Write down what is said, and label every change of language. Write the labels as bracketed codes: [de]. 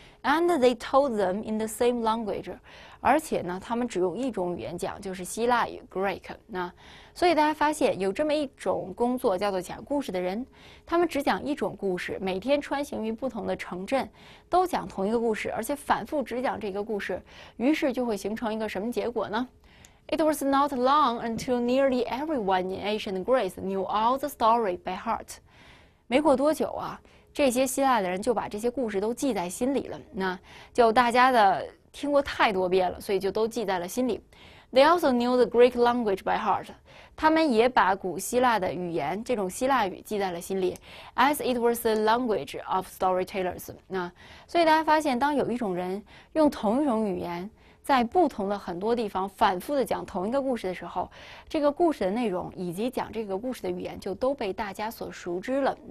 [en] And they told them in the same language， [zh] 而且呢，他们只用一种语言讲，就是希腊语 Greek。那所以大家发现有这么一种工作叫做讲故事的人，他们只讲一种故事，每天穿行于不同的城镇，都讲同一个故事，而且反复只讲这个故事，于是就会形成一个什么结果呢？ [en] It was not long until nearly everyone in ancient Greece knew all the story by heart。 [zh] 没过多久啊，这些希腊的人就把这些故事都记在心里了。那就大家的听过太多遍了，所以就都记在了心里。 [en] They also knew the Greek language by heart。 [zh] 他们也把古希腊的语言，这种希腊语记在了心里。 [en] As it was the language of storytellers。 [zh] 那所以大家发现，当有一种人用同一种语言，在不同的很多地方反复的讲同一个故事的时候，这个故事的内容以及讲这个故事的语言就都被大家所熟知了。